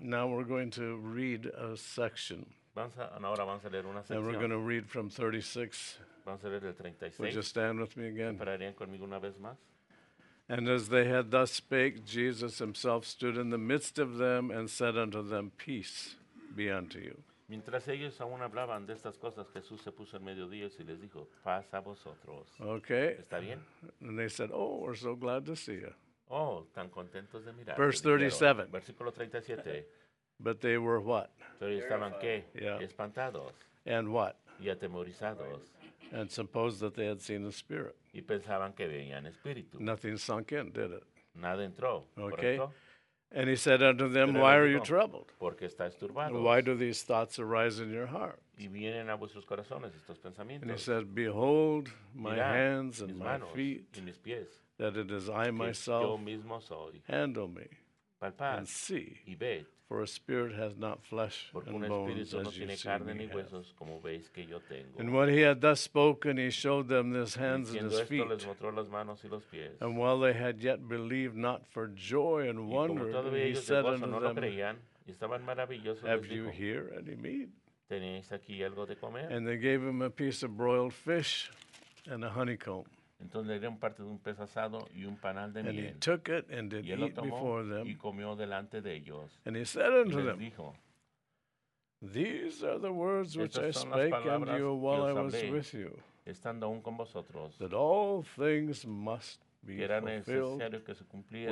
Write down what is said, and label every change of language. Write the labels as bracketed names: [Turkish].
[English] Now we're going to read a section. [Spanish] Vamos a leer una sección. [English] And we're going to read from 36. [Spanish] Vamos a leer el 36. [English] Would you stand with me again? [Spanish] ¿Pararían conmigo una vez más? [English] And as they had thus spake, Jesus himself stood in the midst of them and said unto them, "Peace be unto you." [Spanish] Mientras ellos aún hablaban de estas cosas, Jesús se puso en medio de ellos y les dijo, paz a vosotros. [English] Okay. [Spanish] ¿Está bien? [English] And they said, oh, we're so glad to see you. [Spanish] Oh, tan contentos de mirar. [English] Verse 37. [Spanish] Versículo 37. [English] But they were what? [Spanish] Pero estaban, ¿qué? [English] Yeah. [Spanish] Espantados. [English] And what? [Spanish] Y atemorizados. [English] And supposed that they had seen a spirit. [Spanish] Y pensaban que veían espíritu. [English] Nothing sunk in, did it? [Spanish] Nada entró. [English] Okay. [Spanish] ¿Correcto? [English] And he said unto them, why are you troubled? [Spanish] Porque estáis turbados. [English] Why do these thoughts arise in your heart? [Spanish] Y vienen a vuestros corazones estos pensamientos. [English] And he said, behold my [Spanish] mirad [English] hands [Spanish] mis [English] and [Spanish] manos [English] my feet, [Spanish] y mis pies, [English] that it is I myself, [Spanish] yo mismo soy. [English] Handle me [Spanish] palpad [English] and see, [Spanish] y ved, [English] for a spirit has not flesh [Spanish] porque [English] and [Spanish] un [English] bones [Spanish] espíritu [English] as [Spanish] no [English] you [Spanish] tiene [English] see [Spanish] carne [English] me [Spanish] ni huesos, como veis que yo tengo. [English] And when he had thus spoken, he showed them his hands and his feet. [Spanish] Les mostró las manos y los pies. [English] And while they had yet believed not for joy and wonder, he said unto [Spanish] no [English] them, [Spanish] lo creían, y estaban maravillosos, [English] have [Spanish] les dijo, [English] you here any meat? [Spanish] ¿Tenéis aquí algo de comer? [English] And they gave him a piece of broiled fish and a honeycomb. [Spanish] Entonces le dieron parte de un pez asado y un panal de miel. [English] And he took it and did eat before them. [Spanish] Y comió delante de ellos. [English] And he said unto them, [Spanish] dijo, [English] these are the words which I spake unto you while I was with you, [Spanish] estando aún con vosotros, [English] that all things must be [Spanish] que era [English] fulfilled [Spanish] necesario que se cumpliera,